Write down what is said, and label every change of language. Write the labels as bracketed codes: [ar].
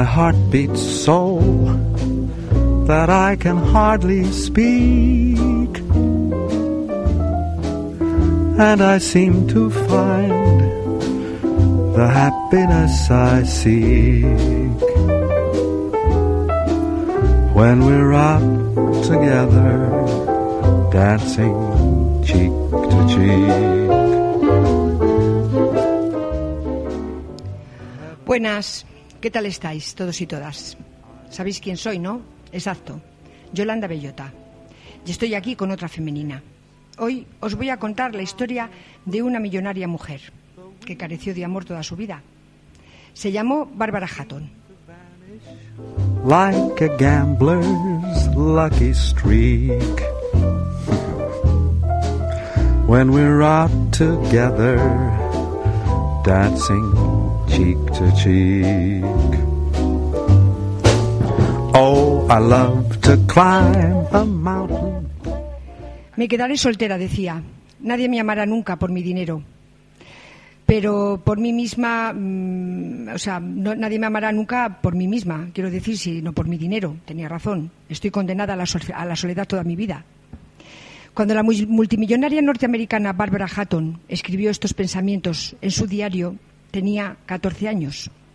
[en] heart beats so that I can hardly speak, and I seem to find the happiness I seek when we're out together dancing cheek to cheek. [es] Buenas, ¿qué tal estáis todos y todas? ¿Sabéis quién soy, no? Exacto, Yolanda Bellota. Y estoy aquí con otra femenina. Hoy os voy a contar la historia de una millonaria mujer que careció de amor toda su vida. Se llamó Barbara Hutton. [en] Like a gambler's lucky streak, when we're out together dancing cheek to cheek. Oh, I love to climb a mountain. [es] Me quedaré soltera, decía. Nadie me amará nunca por mi dinero. Pero por mí misma, nadie me amará nunca por mí misma, quiero decir, sino por mi dinero. Tenía razón. Estoy condenada a la soledad toda mi vida. Cuando la multimillonaria norteamericana Barbara Hutton escribió estos pensamientos en su diario, tenía 14 años.